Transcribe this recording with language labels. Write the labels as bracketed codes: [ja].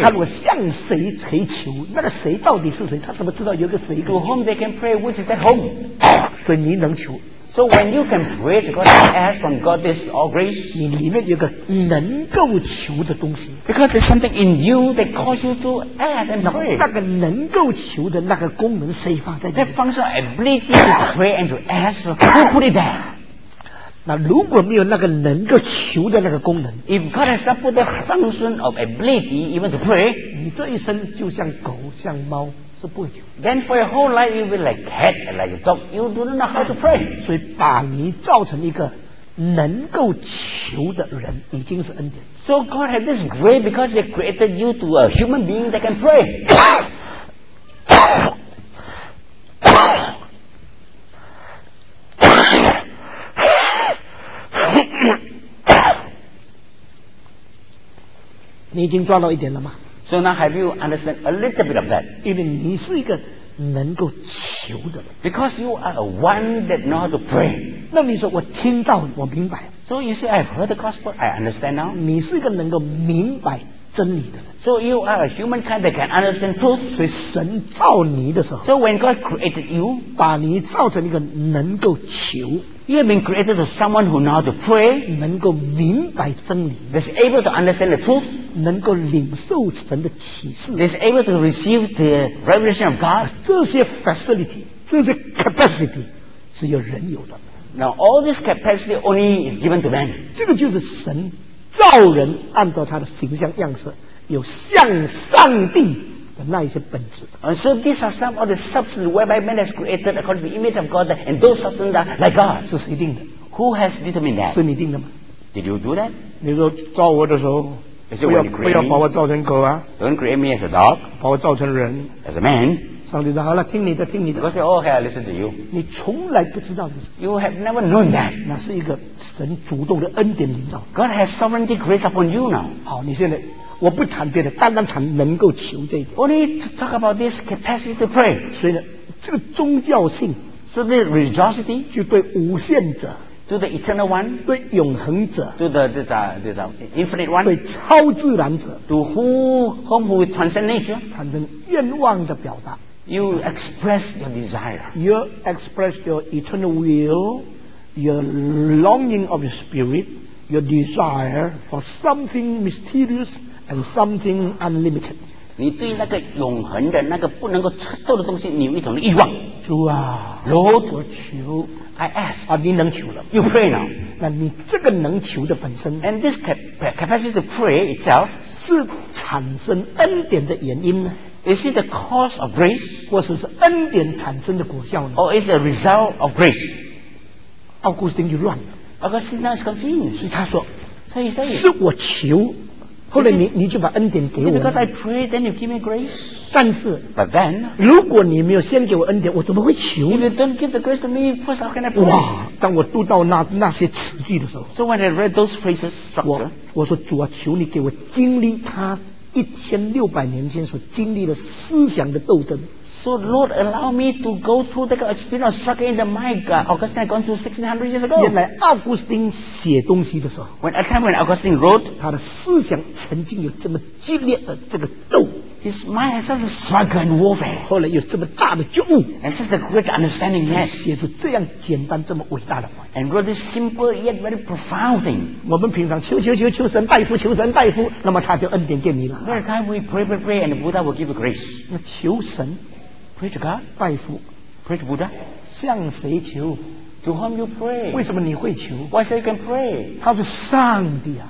[zh] 他如果向谁谁求，那个谁到底是谁？他怎么知道有个谁 [en] ？To whom they can pray, which is that whom? [zh] 所以你能求。 [en] So when you can pray, because you ask from God this all grace, [zh] 你里面有个能够求的东西。 [en] Because there's something in you that causes you to ask and pray. [zh] 那个能够求的那个功能，谁放在里面 [en] ？That function ability to pray and to ask, who put it there? [zh] 那如果没有那个能够求的那个功能 [en] ，If God has not put the function of ability even to pray， [zh] 你这一生就像狗像猫是不求。 [en] Then for your whole life you will be like cat and like a dog. You do not know how to pray。 [zh] 所以把你造成一个能够求的人，已经是恩典。 [en] So God has this grace because He created you to a human being that can pray。 [zh] 你已经抓到一点了吗 [en] ？So now have you understand a little bit of that? [zh] 因为你是一个能够求的人。 [en] Because you are a one that know how to pray. [zh] 那你说我听到，我明白。 [en] So you see, I've heard the gospel, I understand now. [zh] 你是一个能够明白真理的人。 [en] So you are a human kind that can understand truth. [zh] 所以神造你的时候 [en] ，So when God created you， [zh] 把你造成一个能够求。 [en] You have been created to someone who know how to pray， [zh] 能够明白真理 [en] ，is able to understand the truth， [zh] 能够领受神的启示 [en] ，is able to receive the revelation of God。 [zh] 这些 facility， 这些 capacity， 只有人有的。 [en] Now all this capacity only is given to man。 [zh] 这个就是神造人按照他的形象样式有向上帝的那一些本质。 [en] So these are some of the substance whereby man has created according to the image of God, and those substances are like God. [zh] 是谁定的？ [en] Who has determined that? [zh] 是你定的吗？ [en] Did you do that? [zh] 你说造我的时候。不要把我造成狗啊 [en] ！Don't create me as a dog. [zh] 把我造成人 [en] ，as a man. [zh] 上帝说好了，听你的，听你的。 [en] God said, "Oh, okay, I listen to you." [zh] 你从来不知道这个。 [en] You have never known that. [zh] 那是一个神主动的恩典领导。 [en] God has sovereignty grace upon you now. [zh] 好，你现在我不谈别的，单单谈能够求这一点。 [en] Only to talk about this capacity to pray. [zh] 所以呢，这个宗教性 [en] ，so the religiosity [zh] 就对无限者。 [en] To the eternal one, [zh] 对永恒者 [en] ，to the this infinite one, [zh] 对超自然者 [en] ，to whom who transcend nature, [zh] 产生愿望的表达 [en] ，you express your desire, you express your eternal will, your longing of your spirit, your desire for something mysterious and something unlimited. [zh] 你对那个永恒的那个不能够测透的东西，你有一种欲望。主啊 [en] ，Lord, [zh] 我求。 [en] I ask [zh] 啊，你能求了 [en] ？You pray now。 [zh] 那你这个能求的本身 [en] ，and this capacity to pray itself [zh] 是产生恩典的原因呢 [en] ？Is it the cause of grace？ [zh] 或是恩典产生的果效呢 [en] ？Or is it a result of grace？ [zh] 奥古斯丁就乱了。 [en] Augustine is confused。 [zh] 所以他说，所以是我求，后来你就把恩典给我。 [en] Is it because I pray, then you give me grace？ [zh] 但是 [en] ，But then， [zh] 如果你没有先给我恩典，我怎么会求 [en] ？If you don't give the grace to me, first how can I pray？ [zh] 哇，当我读到那些词句的时候 [en] ，So when I read those phrases structure， [zh] 我说主啊，求你给我经历他1600年前所经历的思想的斗争。 [en] So Lord, allow me to go through that experience of struggle in the mind. Augustine had gone through 1600 years ago. [zh] 原来奥古斯丁写东西的时候 [en] ，When a time when Augustine wrote， [zh] 他的思想曾经有这么激烈的这个斗。 [en] His mind has such a struggle and warfare. [zh] 后来有这么大的觉悟 [en] ，and such a great understanding. [zh] 才写出这样简单这么伟大的话。 [en] And wrote this simple yet very profound thing. [zh] 我们平常求求求求神拜佛求神拜佛，那么他就恩典给你了。 [en] Every time we pray, pray, pray, and Buddha will give grace. [zh] 那求神 [en] ，pray to God, [zh] 拜佛 [en] ，pray to Buddha. [zh] 向谁求 [en] ？To whom you pray? [zh] 为什么你会求 [en] ？Why say you can pray? [zh] 他是上帝啊。